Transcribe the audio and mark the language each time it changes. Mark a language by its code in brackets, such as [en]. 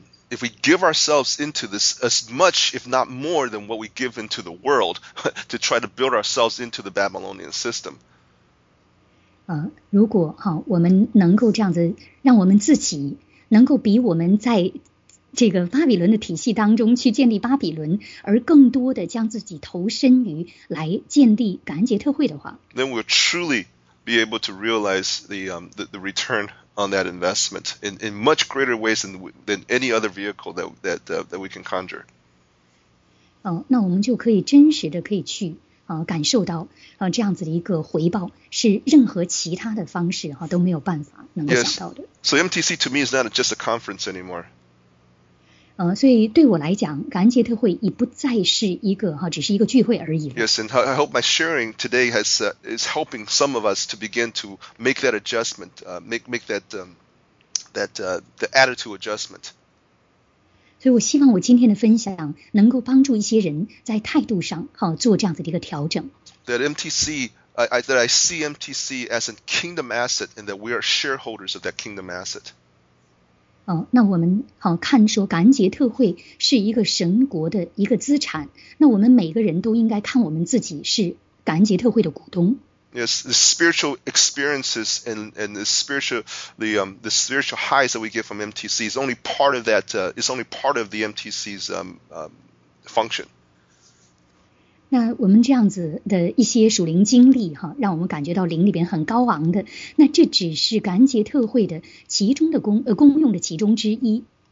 [en] if we give ourselves into this as much, if not more than what we give into the world, to try to build ourselves into the Babylonian system. [zh] 如果我们能够这样子让我们自己能够比我们在这个巴比伦的体系当中去建立巴比伦，而更多的将自己投身于来建立感恩节特会的话， [en] then we'll truly be able to realize the return on that investment in much greater ways than any other vehicle that we can conjure. [zh] 那我们就可以真实的可以去感受到这样子的一个回报是任何其他的方式都没有办法能够想到的。 [en] Yes. So MTC to me is not just a conference anymore. [zh] 所以对我来讲，感恩节特会已不再是一个只是一个聚会而已。 [en] Yes, and I hope my sharing today has is helping some of us to begin to make that adjustment, make that the attitude adjustment. [zh] 所以我希望我今天的分享能够帮助一些人在态度上做这样子的一个调整。 [en] That MTC, I see MTC as a kingdom asset and that we are shareholders of that kingdom asset. [zh] 那我们看说感恩节特会是一个神国的一个资产，那我们每个人都应该看我们自己是感恩节特会的股东。 [en] Yes, the spiritual experiences and the spiritual the spiritual highs that we get from MTC is only part of that. Is only part of the MTC's function. [zh] 那我们这样子的一些属灵经历让我们感觉到灵里边很高昂的，那这只是感恩节特会的其中的功用的其中之一。